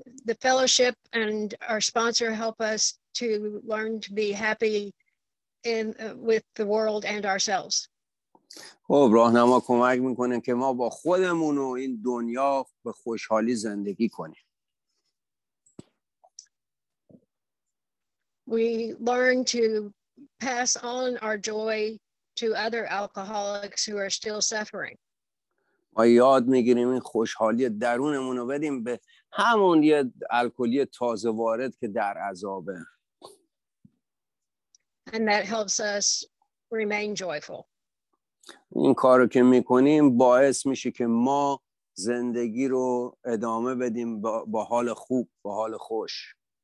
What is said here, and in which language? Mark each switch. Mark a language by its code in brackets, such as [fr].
[en] The fellowship and our sponsor help us to learn to be happy in with the world and ourselves. [fa] خب راهنما کمک میکنه که ما با خودمون و این دنیا به خوشحالی زندگی کنیم. [en] We learn to pass on our joy to other alcoholics who are still suffering. [fa] ما یاد میگیریم این خوشحالی درونمون رو بدیم به همون یه الکلی تازه وارد که در عذابه. [en] And that helps us remain joyful. [fa] این کارو که میکنیم باعث میشه که ما زندگی رو ادامه بدیم با حال خوب، با حال خوش.